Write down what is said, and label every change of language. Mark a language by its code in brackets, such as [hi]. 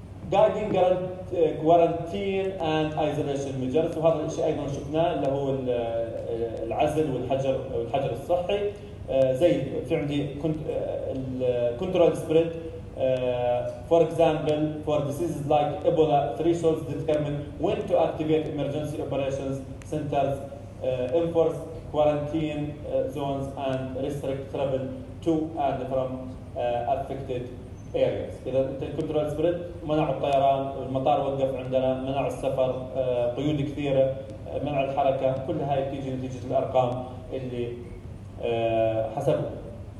[en] Guiding quarantine and isolation measures. [ar] وهذا الشيء أيضا شفناه اللي هو العزل والحجر الصحي. زي في عندي control spread. [en] For example, for diseases like Ebola, thresholds determine when to activate emergency operations centers, enforce quarantine zones, and restrict travel to and from affected areas. [ar] إذا أنت كنترول سبريد منع الطيران المطار وقف عندنا منع السفر قيود كثيرة منع الحركة كل هاي بتيجي نتيجة الأرقام اللي حسبوا.